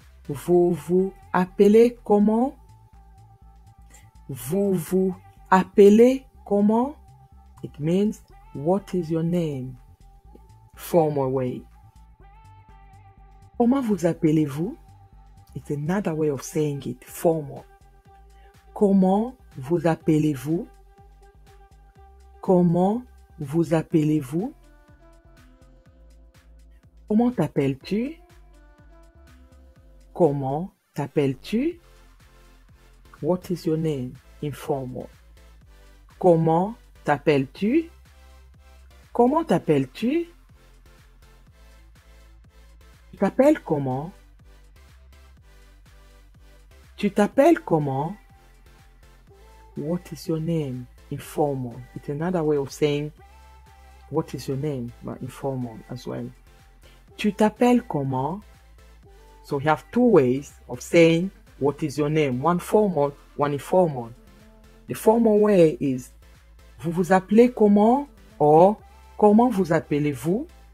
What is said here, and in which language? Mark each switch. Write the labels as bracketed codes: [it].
[fr] Vous vous appelez comment? Vous vous appelez comment? [en] It means, what is your name? Formal way. [fr] Comment vous appelez-vous? [en] It's another way of saying it, formal. [fr] Comment vous appelez-vous? Comment vous appelez-vous? Comment t'appelles-tu? Comment t'appelles-tu? [en] What is your name? Informal. [fr] Comment t'appelles-tu? Comment t'appelles-tu? Tu t'appelles comment? Tu t'appelles comment? [en] What is your name? Informal. It's another way of saying what is your name, but informal as well. [fr] Tu t'appelles comment? [en] So you have two ways of saying what is your name, one formal, one informal. The formal way is [fr] vous vous appelez comment [en] or [fr] comment vous appelez-vous?